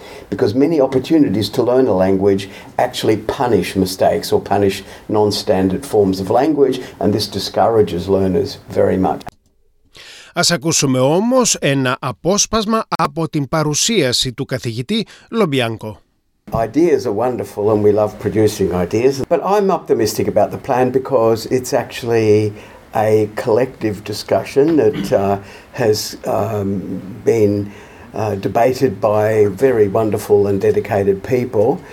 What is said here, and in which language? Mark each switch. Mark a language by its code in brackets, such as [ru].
[en] Because many opportunities to learn a language actually punish mistakes or punish non-standard forms of language and this discourages learners very much. [el] Ας ακούσουμε όμως ένα απόσπασμα από την παρουσίαση του καθηγητή Λομπιάνκο. [en] Ideas are wonderful and we love producing ideas, but I'm optimistic about the plan because it's actually a collective discussion that has been debated by very wonderful and dedicated people.